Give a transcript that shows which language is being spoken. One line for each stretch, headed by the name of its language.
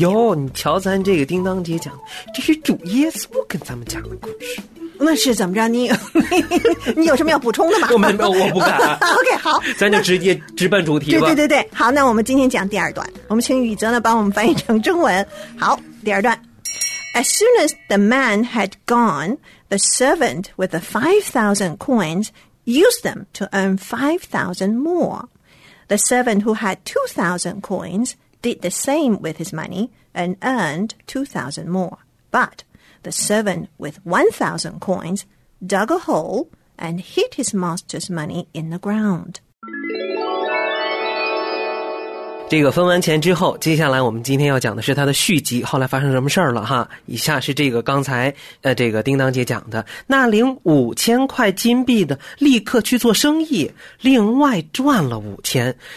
Chinese: 哟，你瞧咱这个叮当姐讲，这是主耶稣跟咱们讲的故事。那是怎么着？你有什么要补充的吗？我不敢。 OK， 好，咱就直接直奔主题吧。对对对，好，那我们今天讲第二段，我们请宇泽呢帮我们翻译成中文。好，第二段。
English: As soon as the man had gone, the servant with the 5,000 coins used them to earn 5,000 more. The servant who had 2,000 coins did the same with his money and earned 2,000 more. But... The servant with 1,000 coins dug a hole and hid his master's money in the ground.
Chinese: 这个分完钱之后，接下来我们今天要讲的是它的续集，后来发生什么事儿了哈？以下是这个刚才这个叮当姐讲的，那领5,000块金币的立刻去做生意，另外赚了5,000。